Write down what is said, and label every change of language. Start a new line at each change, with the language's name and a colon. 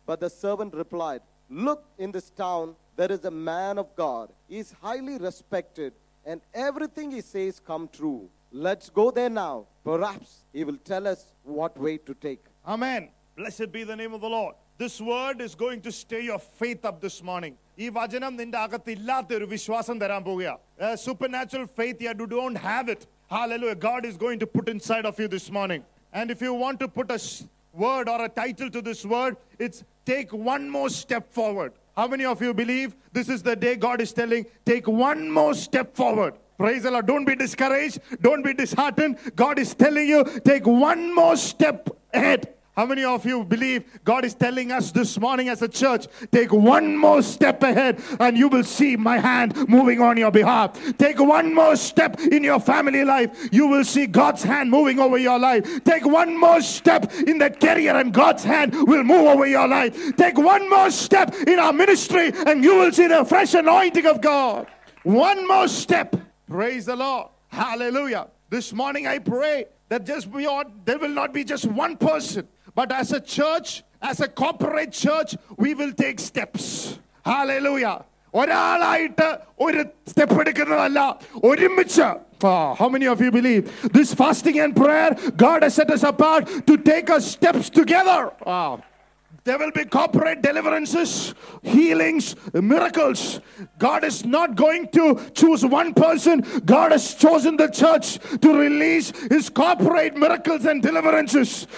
English: But the servant replied, look, in this town there is a man of God. He is highly respected, and everything he says come true. Let's go there now. Perhaps he will tell us what way to take. Amen. Blessed be the name of the Lord. This word is going to stay your faith up this morning.
Malayalam: ഈ വചനം നിന്റെ അകത്ത് ഇല്ലാത്ത ഒരു വിശ്വാസം തരാൻ പോവുകയാണ്.
English: Supernatural faith, you don't have it. Hallelujah. God is going to put inside of you this morning. And if you want to put a word or a title to this word, it's take one more step forward. How many of you believe this is the day God is telling, take one more step forward? Praise the Lord. Don't be discouraged. Don't be disheartened. God is telling you, take one more step ahead. How many of you believe God is telling us this morning as a church, take one more step ahead and you will see my hand moving on your behalf. Take one more step in your family life. You will see God's hand moving over your life. Take one more step in that career and God's hand will move over your life. Take one more step in our ministry and you will see the fresh anointing of God. One more step. Praise the Lord. Hallelujah. This morning I pray that there will not be just one person, but as a church, as a corporate church, we will take steps. Hallelujah.
Malayalam: ഒരാളായിട്ട് ഒരു step എടുക്കുന്നതല്ല, ഒരുമിച്ച്.
English: How many of you believe this fasting and prayer, God has set us apart to take our steps together? There will be corporate deliverances, healings, miracles. God is not going to choose one person. God has chosen the church to release his corporate miracles and deliverances.